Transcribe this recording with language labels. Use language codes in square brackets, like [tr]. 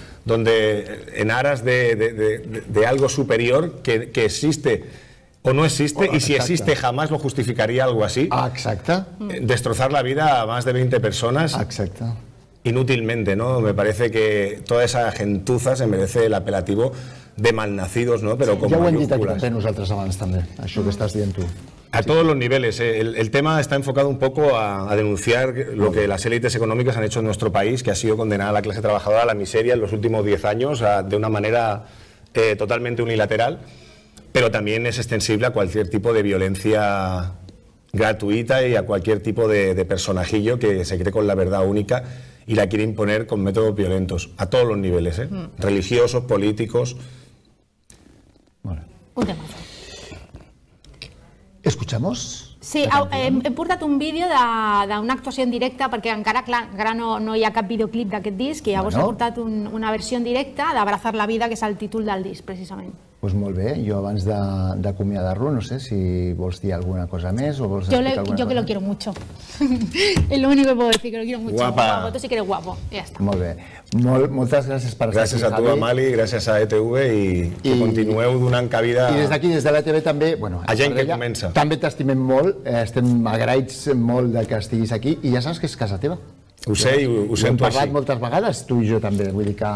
[es] Donde en aras de algo superior que existe o no existe, y si existe jamás lo justificaría algo así. Ah, exacto. Destrozar la vida a más de 20 personas. Exacto. Inútilmente, ¿no? Me parece que toda esa gentuza se merece el apelativo de malnacidos, ¿no? Pero con mayúsculas. Sí, ya [ca] ho hem dit aquí nosaltres abans també, això que estàs dient tu. [es] A todos los niveles. El tema está enfocado un poco a denunciar lo que las élites económicas han hecho en nuestro país, que ha sido condenada a la clase trabajadora a la miseria en los últimos 10 años de una manera totalmente unilateral, pero también es extensible a cualquier tipo de violencia gratuita y a cualquier tipo de personajillo que se cree con la verdad única y la quiere imponer con métodos violentos, a todos los niveles, religiosos, políticos... Bueno. Un tema. ¿Escuchamos? [ca] Sí, he portat un vídeo d'una actuació en directe, perquè encara, clar, no hi ha cap videoclip d'aquest disc, i llavors he portat una versió en directe d'Abrazar la vida, que és el títol del disc, precisament. Doncs molt bé, jo abans d'acomiadar-lo, no sé si vols dir alguna cosa més o vols explicar alguna cosa. [es] Yo que lo quiero mucho. Es lo único que puedo decir, que lo quiero mucho. Guapa. Tú sí que eres guapo, ya está. [ca] Molt bé. Moltes gràcies per estar aquí, Javi. Gràcies a tu, Amali, gràcies a ETV i que continueu donant cabida... I des d'aquí, des de l'ETV també... A gent que comença. També t'estimem molt, estem agraïts molt que estiguis aquí i ja saps que és casa teva. Ho sé i ho sento així. Hem parlat moltes vegades, tu i jo també, vull dir que...